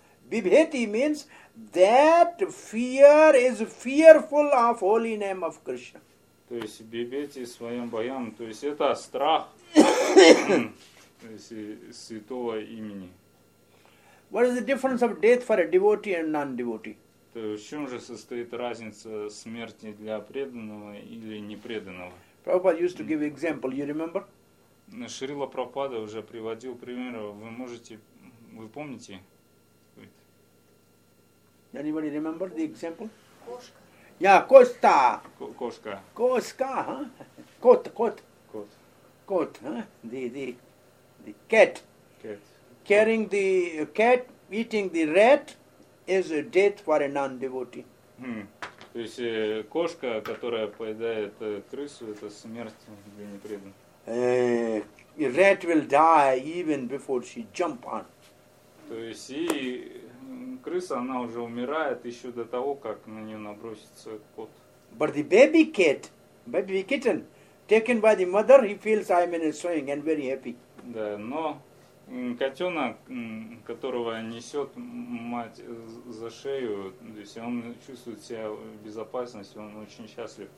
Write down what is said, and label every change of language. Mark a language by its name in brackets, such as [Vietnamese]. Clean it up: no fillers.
[English] Bibheti means that fear is fearful of holy name of Krishna. [Russian] То есть бибети своим боям, то есть это страх святого имени. [English] What is the difference of death for a devotee and non-devotee? [Russian] То есть в чем же состоит разница смерти для преданного или непреданного? [English] Prabhupada used to give example, you remember? [Russian] Шрила Прабхупада уже приводил пример. Вы помните? [English] Anybody remember the example? [Russian] Кошка. [English] Yeah, Kosta. [Russian] Кошка. Кошка, huh? Кот. Кот, huh? [English] The cat. Cat. Carrying the cat, eating the rat, is a death for a non-devotee. [Russian] То есть кошка, которая поедает крысу, это смерть для непреданного. [English] Rat will die even before she jump on. [Russian] То есть и крыса, она уже умирает еще до того, как на нее набросится кот. [English] But the baby kitten, taken by the mother, he feels I'm in a swing and very happy. [Russian] Да, но котенок, которого несет мать за шею, то есть он чувствует себя в безопасности, он очень счастлив.